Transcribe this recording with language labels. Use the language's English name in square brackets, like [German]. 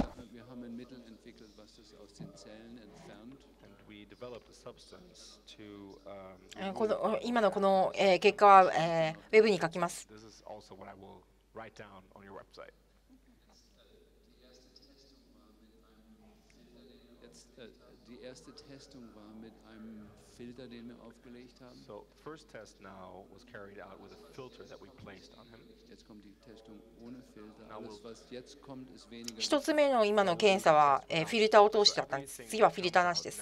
[German] wir haben ein Mittel entwickelt, was das aus den Zellen entfernt. [English] And we developed a substance to, [Japanese] この今のこの、結果は、ウェブに書きます。 [English] This is also what I will write down on your website. [German] Die erste Testung war mit einem Filter, den wir aufgelegt haben. [English] So, the first test now was carried out with a filter that we placed on him. [German] Jetzt kommt die Testung ohne Filter. Alles, was jetzt kommt, ist weniger. [Japanese] 一つ目の今の検査は、フィルターを通してだったんです。次はフィルターなしです。